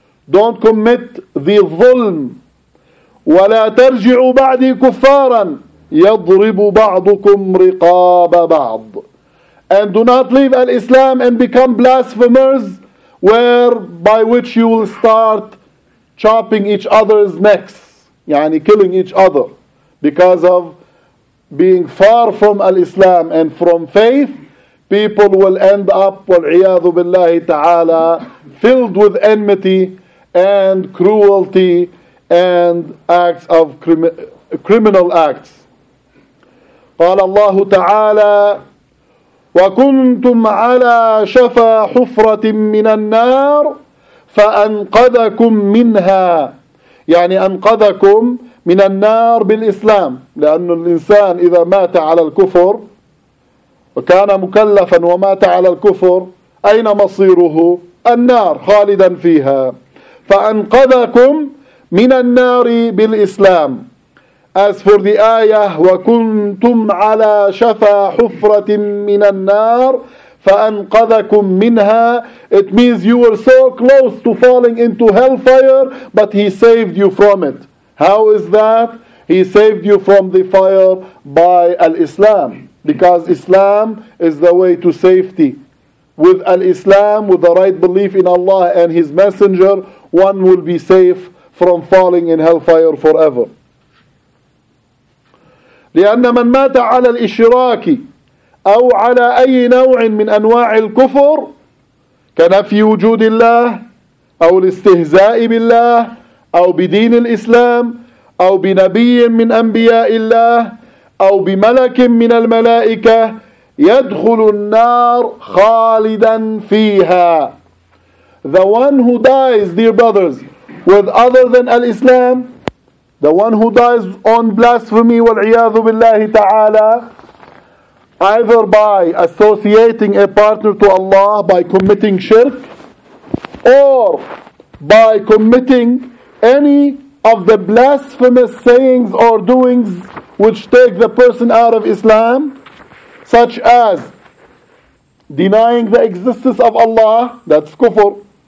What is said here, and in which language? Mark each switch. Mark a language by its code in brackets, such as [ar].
[en] Don't commit the ظلم. [ar] وَلَا تَرْجِعُوا بَعْدِي كُفَّارًا يَضْرِبُ بَعْضُكُمْ رِقَابَ بَعْضٍ. [en] And do not leave Al-Islam and become blasphemers where by which you will start chopping each other's necks, يعني killing each other because of being far from al-Islam and from faith. People will end up, [ar] وَالْعِيَاذُ بِاللَّهِ تَعَالَى, [en] filled with enmity and cruelty and acts of criminal acts. [ar] قال الله تعالى وَكُنْتُمْ عَلَى شَفَى حُفْرَةٍ مِّنَ النَّارِ فَأَنْقَذَكُمْ مِنْهَا, يعني أنقذكم من النار بالإسلام, لأن الإنسان إذا مات على الكفر وكان مكلفا ومات على الكفر أين مصيره؟ النار خالدا فيها. فأنقذكم من النار بالإسلام. [en] As for the ayah, [ar] وكنتم على شفا حفرة من النار فأنقذكم منها, [en] it means you were so close to falling into hellfire, but he saved you from it. How is that? He saved you from the fire by al-Islam, because Islam is the way to safety. With al-Islam, with the right belief in Allah and His Messenger, one will be safe from falling in hellfire forever. [ar] لأن من مات على الإشراك أو على أي نوع من أنواع الكفر كنفي وجود الله أو الاستهزاء بالله أو بدين الإسلام أو بنبي من أنبياء الله أو بملك من الملائكة يدخل النار خالدا فيها. [en] The one who dies, dear brothers, with other than al-Islam, the one who dies on blasphemy [ar] وَالْعِيَاذُ بِاللَّهِ تَعَالَى, [en] either by associating a partner to Allah by committing shirk or by committing any of the blasphemous sayings or doings which take the person out of Islam, such as denying the existence of Allah, that's kufr,